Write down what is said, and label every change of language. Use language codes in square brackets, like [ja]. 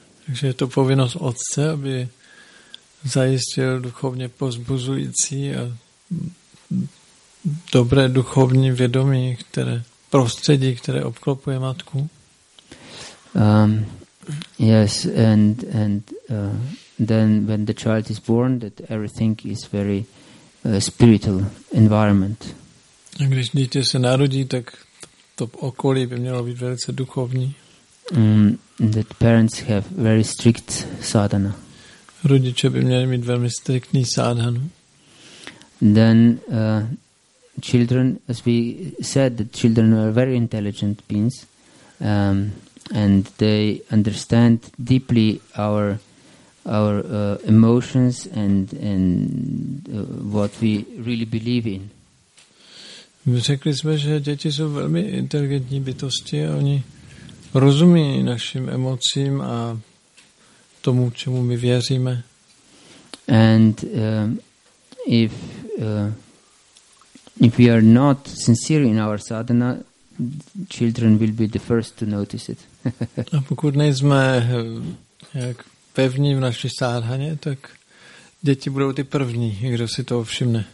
[cs] Takže je to povinnost otce, aby zajistil duchovně pozbuzující a dobré duchovní vědomí, které prostředí, které obklopuje matku. [en] Yes, and then when the child is born, that everything is very spiritual environment. [cs] A když dítě se narodí, tak to okolí by mělo být velice duchovní. [en] That parents have very strict sadhana. [cs] Rodiče by měli mít velmi striktní sadhanu. [en] Then children, as we said, that children are very intelligent beings, and they understand deeply our emotions and what we really believe in. [cs] Řekli jsme, že děti jsou velmi inteligentní bytosti a oni rozumí našim emocím a tomu, čemu my věříme. [en] And if we are not sincere in our sadhana, children will be the first to notice it. [cs] A pokud nejsme jak pevní v naší sádhaně, tak děti budou ty první, kdo si toho všimne.